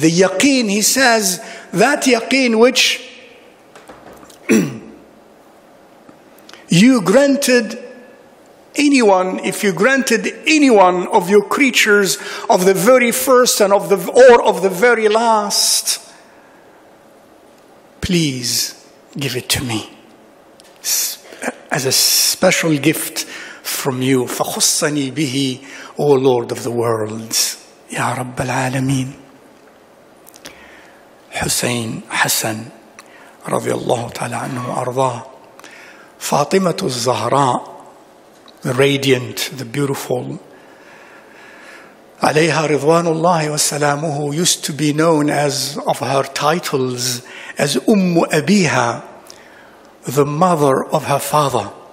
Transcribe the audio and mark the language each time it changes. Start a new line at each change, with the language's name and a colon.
English: The yaqeen, he says, that yaqeen which you granted anyone, if you granted anyone of your creatures of the very first and of the or of the very last, please give it to me as a special gift from you.
Arabic: فَخُصَّنِي بِهِ
English: O Lord of the worlds.
Arabic: Ya Rabb al-Alameen. Hussein Hassan رضي الله تعالى عنه وأرضاه.
English: فاطمة الزهراء, the radiant, the beautiful,
Arabic: عليها رضوان الله وسلامه,
English: used to be known as, of her titles, as
Arabic: أم أبيها,
English: the mother of her father,